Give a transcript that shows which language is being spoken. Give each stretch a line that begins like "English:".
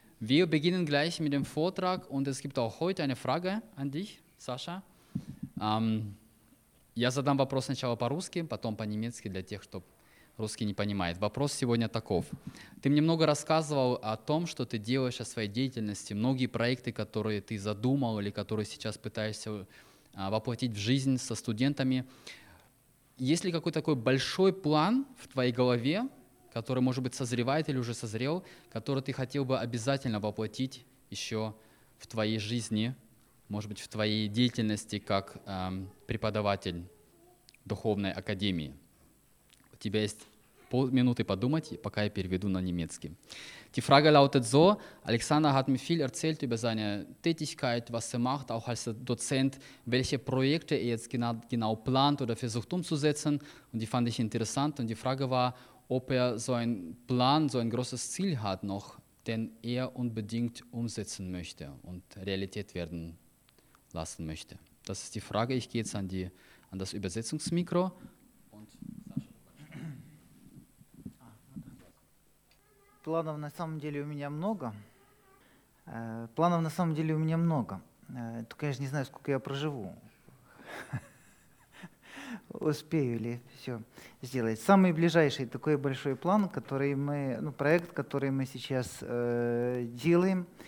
German: Wir beginnen gleich mit dem Vortrag und es gibt auch heute eine Frage an dich, Sascha.
Russian: Я задам вопрос сначала по-русски, потом по-немецки для тех, кто русский не понимает. Вопрос сегодня таков. Ты мне много рассказывал о том, что ты делаешь, о своей деятельности, многие проекты, которые ты задумал или которые сейчас пытаешься воплотить в жизнь со студентами. Есть ли какой-то такой большой план в твоей голове, который, может быть, созревает или уже созрел, который ты хотел бы обязательно воплотить еще в твоей жизни, может быть, в твоей деятельности как преподаватель духовной академии? У тебя есть полминуты подумать, пока я переведу на немецкий.
German: Die Frage lautet so, Alexander hat mir viel erzählt über seine Tätigkeit, was er macht, auch als Dozent, welche Projekte er jetzt genau plant oder versucht umzusetzen. Und die fand ich interessant. Und die Frage war, ob er so einen Plan, so ein großes Ziel hat noch, den er unbedingt umsetzen möchte und Realität werden lassen möchte. Das ist die Frage. Ich gehe jetzt an das Übersetzungsmikro.
Russian: Планов на самом деле у меня много. Планов на самом деле у меня много. Только я же не знаю, сколько я проживу. Успею ли все сделать. Самый ближайший такой большой план, который мы, ну, проект, который мы сейчас делаем.